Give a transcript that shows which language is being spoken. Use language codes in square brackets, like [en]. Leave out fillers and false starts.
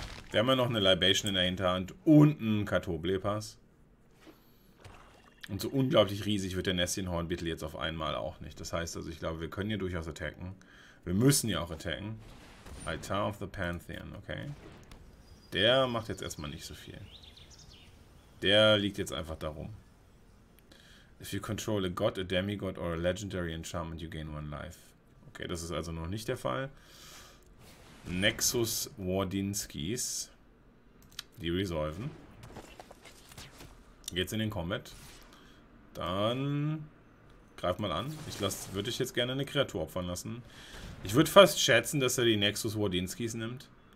[de] Wir haben ja noch eine Libation in der Hinterhand und einen Kartoblepas. Und so unglaublich riesig wird der Nessienhornbeetle jetzt auf einmal auch nicht. Das heißt also, ich glaube, wir können hier durchaus attacken. Wir müssen hier auch attacken. [en] Altar of the Pantheon, okay. [de] Der macht jetzt erstmal nicht so viel. Der liegt jetzt einfach da rum. [en] If you control a god, a demigod or a legendary enchantment, you gain one life. [de] Okay, das ist also noch nicht der Fall. Nexus Wardinskis. Die resolven. Geht's in den Combat. Dann greif mal an. Ich würde dich jetzt gerne eine Kreatur opfern lassen. Ich würde fast schätzen, dass er die Nexus Wardinskis nimmt.